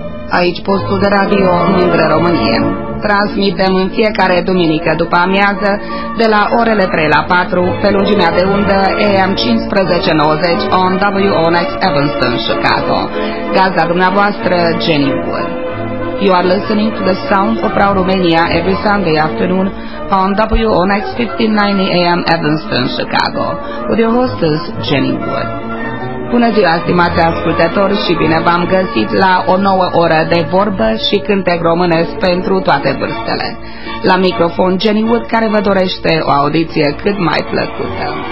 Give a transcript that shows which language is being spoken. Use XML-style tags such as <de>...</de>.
<ro>aici postul de radio Mândră România. Transmitem în fiecare duminică după amiază, de la orele 3 la 4, pe lungimea de undă AM 1590 on WONX Evanston, Chicago. Gazda dumneavoastră, Jenny Wood.</ro> <en>You are listening to the sound of Proud Romania every Sunday afternoon on WONX 1590 AM Evanston, Chicago, with your hostess, Jenny Wood.</en> <ro>Bună ziua, stimați ascultători, și bine v-am găsit la o nouă oră de vorbă și cântec românesc pentru toate vârstele. La microfon, Jenny Wood, care vă dorește o audiție cât mai plăcută.</ro>